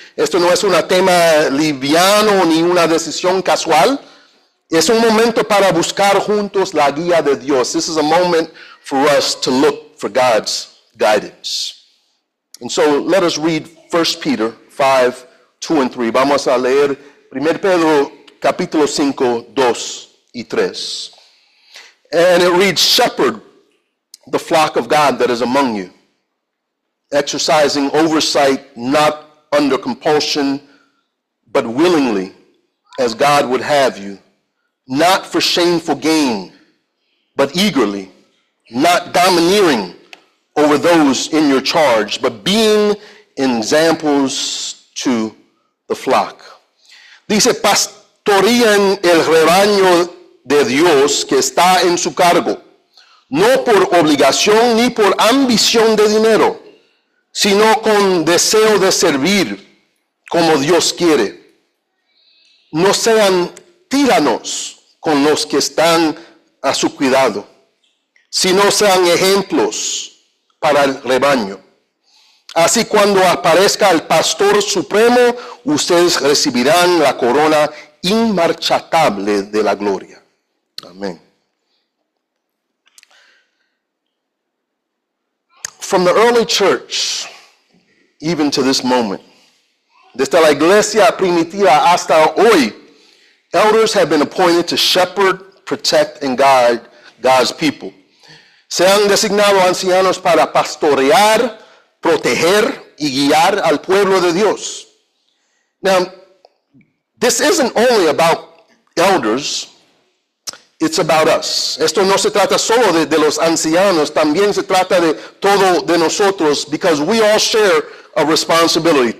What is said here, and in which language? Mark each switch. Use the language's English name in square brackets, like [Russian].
[Spanish] Esto no es un tema liviano ni una decisión casual. Es un momento para buscar juntos la guía de Dios. [English] This is a moment for us to look for God's guidance. And so let us read 1 Peter 5, 2 and 3. [Spanish] Vamos a leer 1 Pedro capítulo 5, 2 y 3. [English] And it reads, "Shepherd the flock of God that is among you, exercising oversight not under compulsion, but willingly, as God would have you, not for shameful gain, but eagerly, not domineering over those in your charge, but being examples to the flock." [Spanish] Dice, pastoreen el rebaño de Dios que está en su cargo, no por obligación ni por ambición de dinero, sino con deseo de servir como Dios quiere. No sean tiranos con los que están a su cuidado, sino sean ejemplos para el rebaño. Así, cuando aparezca el pastor supremo, ustedes recibirán la corona inmarchitable de la gloria. Amén. [English] From the early church, even to this moment, [Spanish] desde la iglesia primitiva hasta hoy, [English] elders have been appointed to shepherd, protect, and guide God's people. [Spanish] Se han designado ancianos para pastorear, proteger, y guiar al pueblo de Dios. [English] Now, this isn't only about elders. It's about us. [Spanish] Esto no se trata solo de los ancianos. También se trata de todo de nosotros, [English] because we all share a responsibility.